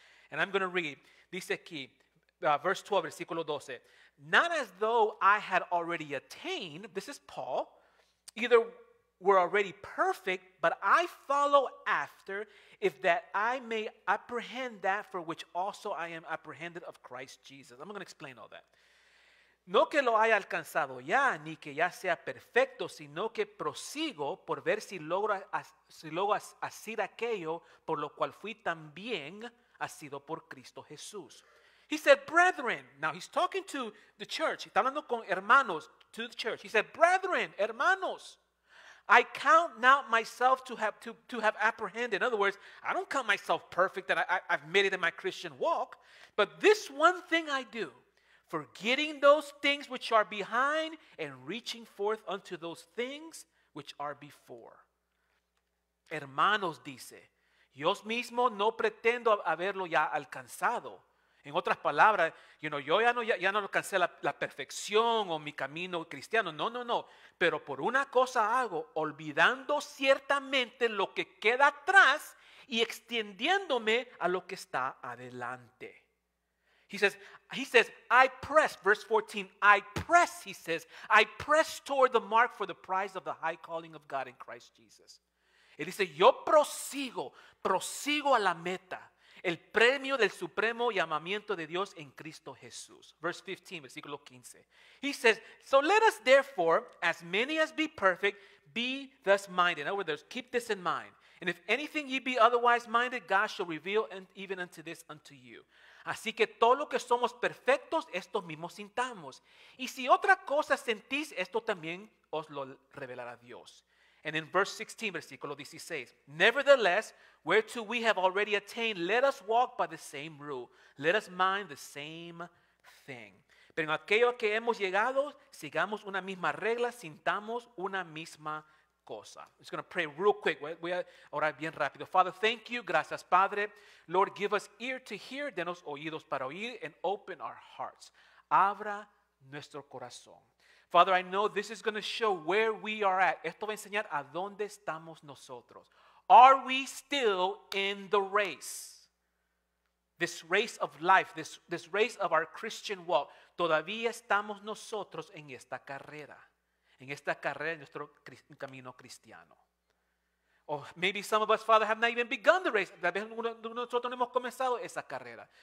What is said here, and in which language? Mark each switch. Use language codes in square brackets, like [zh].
[en] And I'm going to read, [es] dice aquí, [en] verse 12, [es] versículo 12. [en] Not as though I had already attained, this is Paul, either were already perfect, but I follow after, if that I may apprehend that for which also I am apprehended of Christ Jesus. I'm going to explain all that. [es] No que lo haya alcanzado ya, ni que ya sea perfecto, sino que prosigo por ver si logro hacer aquello por lo cual fui también asido por Cristo Jesús. [en] He said, brethren, now he's talking to the church, [es] está hablando con hermanos, [en] to the church. He said, brethren, hermanos, I count not myself to have apprehended. In other words, I don't count myself perfect that I've made it in my Christian walk, but this one thing I do, forgetting those things which are behind and reaching forth unto those things which are before. [es] Hermanos, dice, yo mismo no pretendo haberlo ya alcanzado. En otras palabras, you know, yo ya no alcancé la perfección o mi camino cristiano. No, no, no. Pero por una cosa hago, olvidando ciertamente lo que queda atrás y extendiéndome a lo que está adelante. [en] He says, I press, verse 14, I press, he says, I press toward the mark for the prize of the high calling of God in Christ Jesus. [es] Él dice, yo prosigo a la meta, el premio del supremo llamamiento de Dios en Cristo Jesús. [en] Verse 15, [es] versículo 15. [en] He says, so let us therefore, as many as be perfect, be thus minded. In other words, keep this in mind. And if anything ye be otherwise minded, God shall reveal even unto this unto you. [es] Así que todo lo que somos perfectos, esto mismo sintamos. Y si otra cosa sentís, esto también os lo revelará Dios. [en] And in verse 16, [es] versículo 16, [en] nevertheless, whereto we have already attained, let us walk by the same rule. Let us mind the same thing. [es] Pero en aquello que hemos llegado, sigamos una misma regla, sintamos una misma cosa. [en] I'm just going to pray real quick. [es] Voy a orar bien rápido. [en] Father, thank you. [es] Gracias, Padre. [en] Lord, give us ear to hear. [es] Denos oídos para oír [en] and open our hearts. [es] Abra nuestro corazón. [en] Father, I know this is going to show where we are at. [es] Esto va a enseñar a dónde estamos nosotros. [en] Are we still in the race? This race of life, this race of our Christian walk. [es] Todavía estamos nosotros en esta carrera. En esta carrera, en nuestro camino cristiano. [en] Or maybe some of us, Father, have not even begun the race. [es] Tal vez nosotros no hemos comenzado esa carrera.